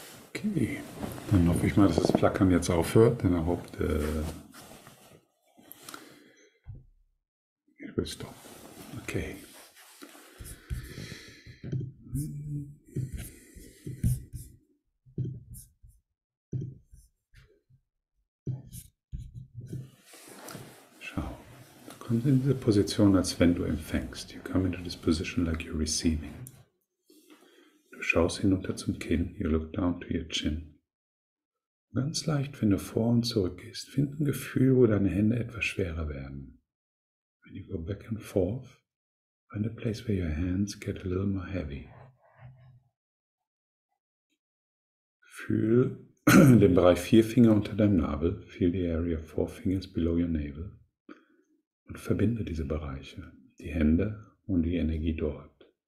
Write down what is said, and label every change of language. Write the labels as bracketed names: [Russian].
[German] Okay, dann hoffe ich mal, dass das Flackern jetzt aufhört, denn [English] I hope it will stop. [German] Okay. Schau, du kommst in diese Position, als wenn du empfängst. [English] You come into this position like you're receiving. [German] Du schaust hinunter zum Kinn, [English] you look down to your chin. [German] Ganz leicht, wenn du vor und zurück gehst, find ein Gefühl, wo deine Hände etwas schwerer werden. [English] When you go back and forth, find a place where your hands get a little more heavy. [German] Fühl den Bereich vier Finger unter deinem Nabel, [English] feel the area of four fingers below your navel [German] und verbinde diese Bereiche, die Hände und die Energie dort.